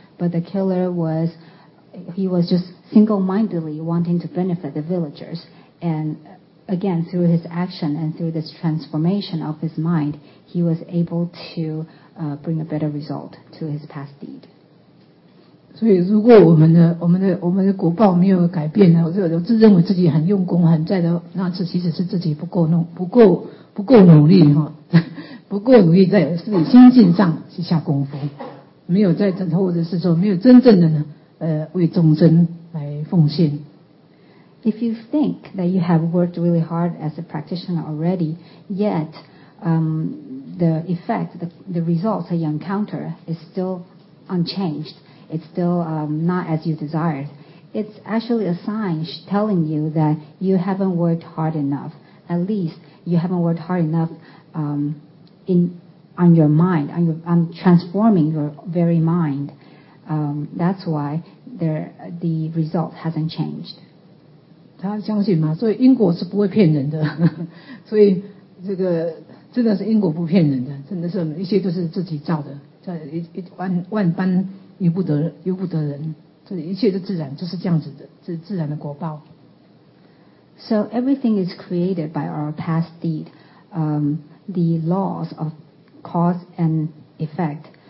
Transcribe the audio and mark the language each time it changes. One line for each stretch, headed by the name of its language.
English: But the killer was just single-mindedly wanting to benefit the villagers and. Again, through his action and through this transformation of his mind, he was able to bring a better result to his past deed.
Chinese: 所以如果我们的果报没有改变呢，我自认为自己很用功很在的，那是其实是自己不够努力哈，不够努力在自己心境上是下功夫，没有在或者是说没有真正的呢为众生来奉献。
English: If you think that you have worked really hard as a practitioner already, yet the effect, the results that you encounter is still unchanged, it's still not as you desired, it's actually a sign telling you that you haven't worked hard enough. At least you haven't worked hard enough on your mind, on transforming your very mind. That's why the result hasn't changed.
Chinese: 他相信嘛，所以因果是不会骗人的，所以这个真的是因果不骗人的，真的是一切都是自己造的，这万般由不得人，这一切的自然就是这样子的，这自然的果报。
English: So everything is created by our past deed. The laws of cause and effect.